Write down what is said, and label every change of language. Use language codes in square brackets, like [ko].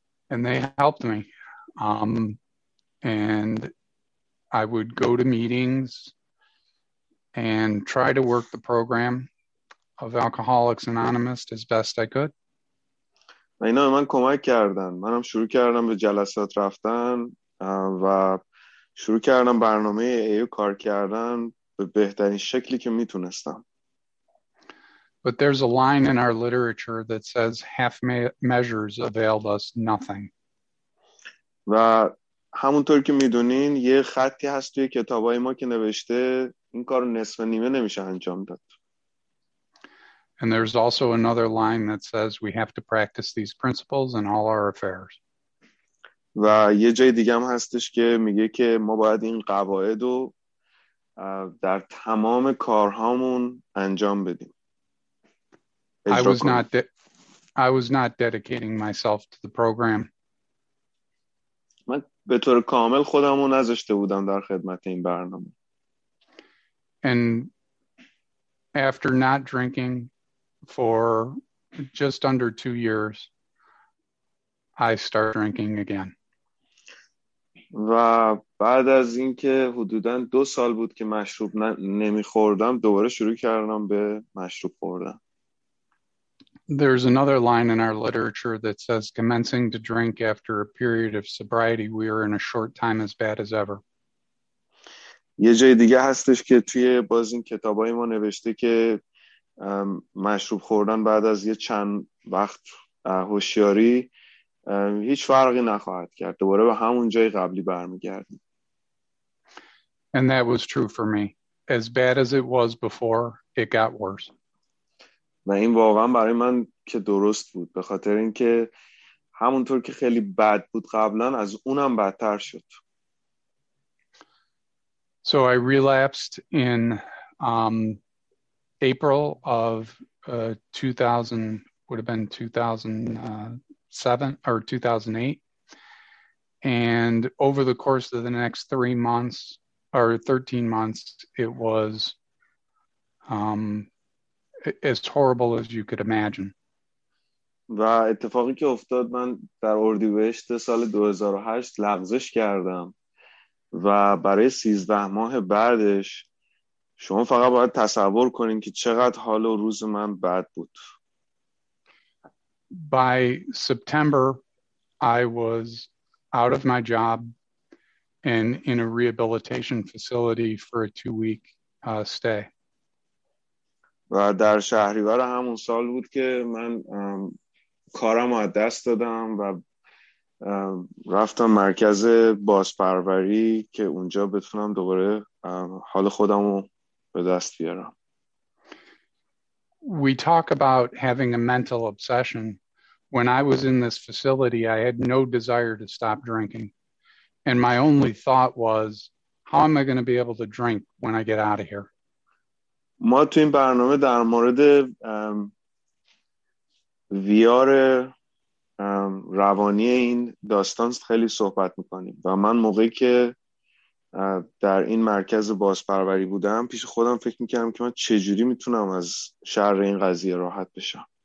[en] And they helped me. And I would go to meetings and try to work the program of Alcoholics Anonymous as best I could. [fa] اینا من کمک کردن. منم شروع کردم به جلسات رفتن و شروع کردم برنامه ایو کار کردن به بهترین شکلی که میتونستم. [en] But there's a line in our literature that says half measures availed us nothing. [fa] و همونطور که میدونین یه خطی هست توی کتابای ما که نوشته این کار نصف نیمه نمیشه انجام داد. [en] And there's also another line that says we have to practice these principles in all our affairs. [fa] و یه جای دیگه هم هستش که میگه که ما باید این قواعد رو در تمام کارهامون انجام بدیم. [en] I was not dedicating myself to the program. [fa] من به طور کامل خودم رو نذاشته بودم در خدمت این برنامه. [en] And after not drinking for just under 2 years, I start drinking again. [fa] و بعد از اینکه حدوداً 2 سال بود که مشروب نمیخوردم دوباره شروع کردم به مشروب خوردن. [en] There's another line in our literature that says commencing to drink after a period of sobriety we are in a short time as bad as ever. [fa] یه جای دیگه هستش که توی باز این کتابای ما نوشته که مشروب خوردن بعد از یه چند وقت هوشیاری هیچ فرقی نخواهد کرد، دوباره به همون جای قبلی برمیگردیم. [en] And that was true for me. As bad as it was before, it got worse. [fa] و این واقعا برای من که درست بود، به خاطر اینکه همونطور که خیلی بد بود قبلا از اونم بدتر شد. [en] So I relapsed in April of 2000, would have been 2007 or 2008. And over the course of the next 3 months or 13 months, it was as horrible as you could imagine. [fa] و اتفاقی که افتاد، من در اردیبهشت سال 2008 لغزش کردم و برای 13 ماه بعدش شما فقط باید تصور کنین که چقدر حال و روز من بد بود. [en] By September I was out of my job and in a rehabilitation facility for a 2 week stay. [fa] و در شهریور همون سال بود که من کارم رو از دست دادم و رفتم مرکز بازپروری که اونجا بتونم دوباره حال خودم رو به دست بیارم. [en] We talk about having a mental obsession. When I was in this facility, I had no desire to stop drinking. And my only thought was, how am I going to be able to drink when I get out of here? [fa] ما تو این برنامه در مورد ویار روانی این داستان خیلی صحبت میکنیم و من موقعی که در این مرکز بازپروری بودم پیش خودم فکر میکردم که من چجوری میتونم از شر این قضیه راحت بشم.